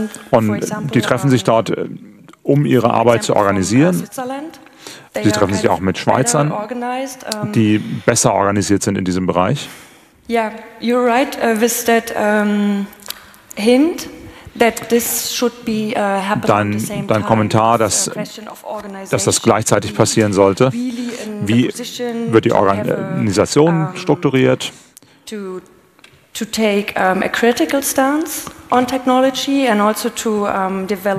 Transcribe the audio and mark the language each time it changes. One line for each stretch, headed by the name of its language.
German: Und die treffen sich dort, um ihre Arbeit zu organisieren. Sie treffen sich auch mit Schweizern, die besser organisiert sind in diesem Bereich.
English: Yeah, you're right with that hint that this should be happening.
German: Dein Kommentar, dass das gleichzeitig passieren sollte. Wie wird die Organisation strukturiert?
English: To take a critical stance on technology and also to develop